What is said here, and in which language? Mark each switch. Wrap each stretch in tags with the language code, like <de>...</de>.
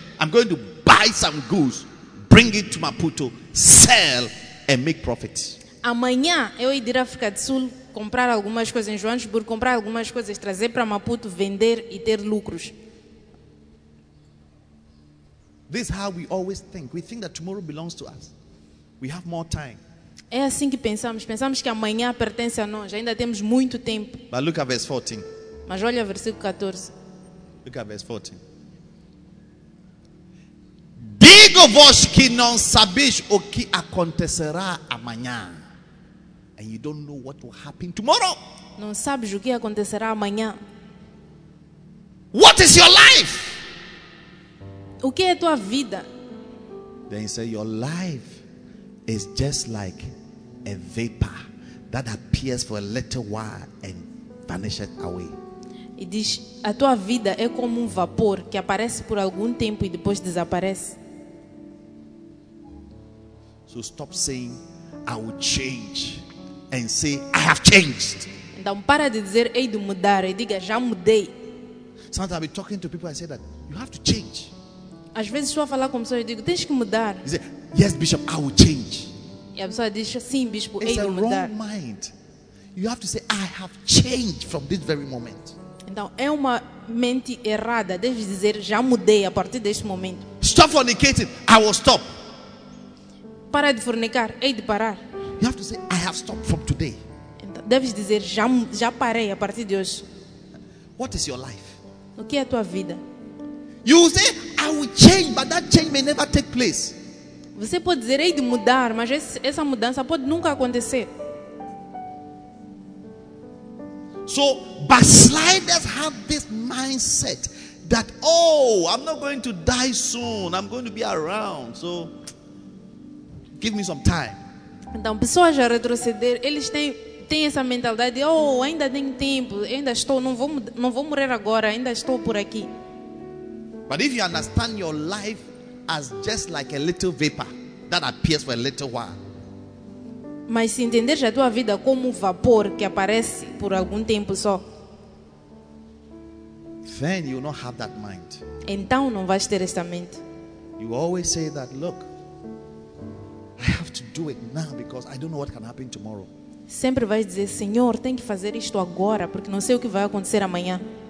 <en>I'm going to buy some goods, bring it to Maputo, sell and make profit.</en> <pt>Amanhã eu irei à África do Sul comprar algumas coisas em Joanesburgo, comprar algumas coisas, trazer para Maputo, vender e ter lucros.</pt> <en>This is how we always think. We think that tomorrow belongs to us. We have more time.</en> <pt>É assim que pensamos. Pensamos que amanhã pertence a nós. Ainda temos muito tempo.</pt> <en>But look at verse 14.</en> <pt>Mas olha o versículo 14.</pt> <en>Look at verse 14.</en> <pt>Digo-vos que não sabeis o que acontecerá amanhã.</pt> <en>And you don't know what will happen tomorrow.</en> <pt>Não sabes o que acontecerá amanhã.</pt> <en>What is your life?</en> <pt>O que é a tua vida?</pt> <en>Then he said, your life is just like a vapor that appears for a little while and vanishes away.</en> <pt>E diz, a tua vida é como vapor que aparece por algum tempo e depois desaparece.</pt> <en>So stop saying, I will change. And say, I have changed.</en> <pt>Então para de dizer, ei de mudar. E diga, já mudei.</pt> <en>Sometimes I be talking to people and say that, you have to change.</en> <pt>Às vezes estou a falar com pessoas e digo, tens que mudar.</pt> <en>You say, yes, bishop, I will change.</en> <pt>E a pessoa diz, sim, bispo,</pt> <en>it's</en> <pt>ei de mudar.</pt> <en>It's a wrong mind. You have to say, I have changed from this very moment.</en> <pt>Então é uma mente errada. Deves dizer, já mudei a partir deste momento.</pt> <en>stop fornicating, I will stop.</en> <pt>Para de fornicar, hei de parar.</pt> <en>You have to say, I have stopped from today.</en> <pt>Deves dizer, já parei a partir de hoje.</pt> <en>What is your life?</en> <pt>O que é a tua vida?</pt> <en>You say, I will change, but that change may never take place.</en> <pt>Você pode dizer, hei de mudar, mas essa mudança pode nunca acontecer.</pt> <en>So, backsliders have this mindset that, oh, I'm not going to die soon. I'm going to be around. So, give me some time.</en> <pt>Então, pessoas a retroceder, eles têm essa mentalidade, oh, ainda tem tempo, ainda estou, não vou morrer agora, ainda estou por aqui.</pt> <en>But if you understand your life as just like a little vapor that appears for a little while.</en> <pt>Mas se entender a tua vida como um vapor que aparece por algum tempo só.</pt> <en>Then you will not have that mind.</en> <pt>Então não vais ter essa mente.</pt> <en>You always say that, look, I have to do it now because I don't know what can happen tomorrow.</en> <pt>Sempre vais dizer, Senhor, tenho que fazer isto agora porque não sei o que vai acontecer amanhã.</pt>